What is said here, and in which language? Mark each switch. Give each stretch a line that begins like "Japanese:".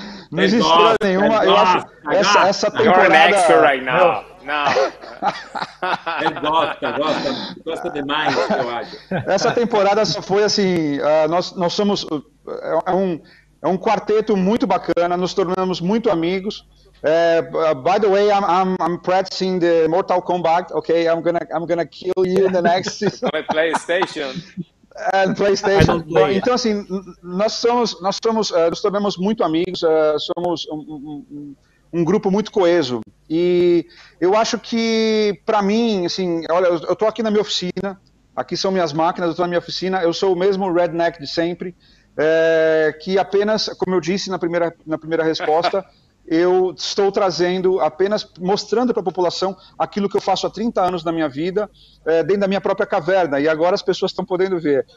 Portuguese: Não existe estrela nenhuma. Eu acho essa temporada...
English: You're an expert right now.
Portuguese: Ele gosta demais, eu acho. Essa temporada foi assim, nós somos é um quarteto muito bacana, nos tornamos muito amigos.
English: By the way, I'm practicing the Mortal Kombat, okay? I'm gonna kill you in the next season. PlayStation.
Portuguese: Então assim, nos tornamos muito amigos, somos um grupo muito coeso. E eu acho que, para mim, assim, olha, eu tô aqui na minha oficina, aqui são minhas máquinas, eu tô na minha oficina, eu sou o mesmo redneck de sempre, que apenas, como eu disse na primeira resposta, eu estou trazendo, apenas mostrando para a população aquilo que eu faço há 30 anos na minha vida, dentro da minha própria caverna, e agora as pessoas estão podendo ver.